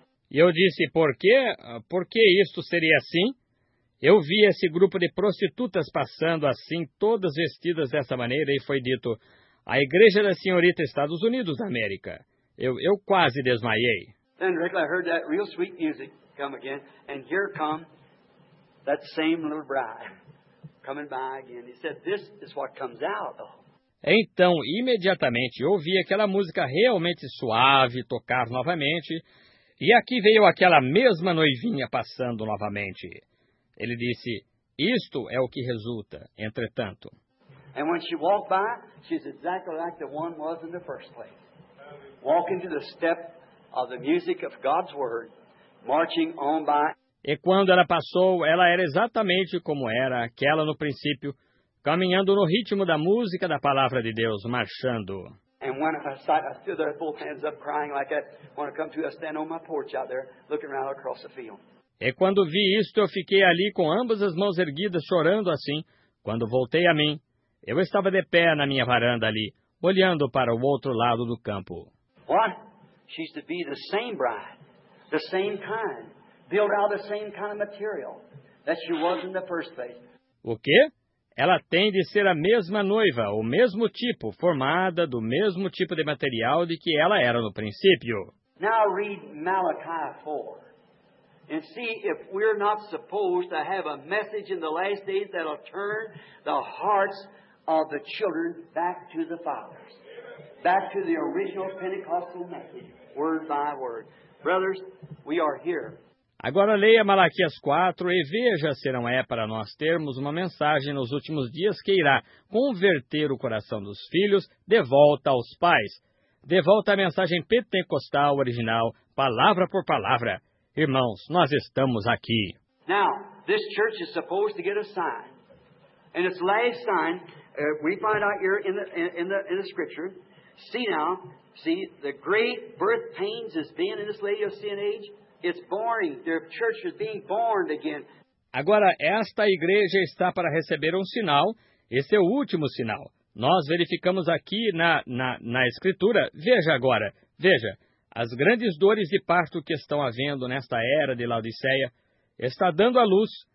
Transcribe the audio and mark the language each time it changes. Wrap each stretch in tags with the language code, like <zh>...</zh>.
<pt>E eu disse, por quê? Por que isto seria assim? Eu vi esse grupo de prostitutas passando assim, todas vestidas dessa maneira, e foi dito, a Igreja da Senhorita Estados Unidos da América. Eu quase desmaiei.</pt> <en>Then Rick, I heard that real sweet music come again, and here come that same little bride coming by again. He said, "This is what comes out."</en> <pt>Então, imediatamente, ouvi aquela música realmente suave tocar novamente, e aqui veio aquela mesma noivinha passando novamente. Ele disse, "Isto é o que resulta." Entretanto.</pt> <en>And when she walked by, she's exactly like the one was in the first place. Walking to the step of the music of God's word, marching on by.</en> <pt>E quando ela passou, ela era exatamente como era aquela no princípio, caminhando no ritmo da música da palavra de Deus, marchando.</pt> <en>And when I sat, I stood there, both hands up, crying like that. When I come to, I stand on my porch out there, looking around across the field.</en> <pt>E quando vi isto, eu fiquei ali com ambas as mãos erguidas, chorando assim. Quando voltei a mim, eu estava de pé na minha varanda ali, olhando para o outro lado do campo.</pt> <en>What? She's to be the same bride, the same kind, built out of the same kind of material that she was in the first place.</en> <pt>O quê? Ela tem de ser a mesma noiva, o mesmo tipo, formada do mesmo tipo de material de que ela era no princípio.</pt> <en>Now read Malachi 4 and see if we're not supposed to have a message in the last days that'll turn the hearts of the children back to the fathers. Back to the original Pentecostal message, word by word. Brothers, we are here.</en> <pt>Agora leia Malaquias 4 e veja se não é para nós termos uma mensagem nos últimos dias que irá converter o coração dos filhos de volta aos pais. De volta à mensagem pentecostal original, palavra por palavra. Irmãos, nós estamos aqui.</pt> <en>Now, this church is supposed to get a sign. And its last sign, we find out here in the scripture. See now, see, the great birth pains is being in this Laodicean age. It's boring. Their church is being born again.</en> <pt>Agora, esta igreja está para receber um sinal. Esse é o último sinal. Nós verificamos aqui na escritura. Veja agora. Veja. As grandes dores de parto que estão havendo nesta era de Laodiceia está dando à luz.</pt>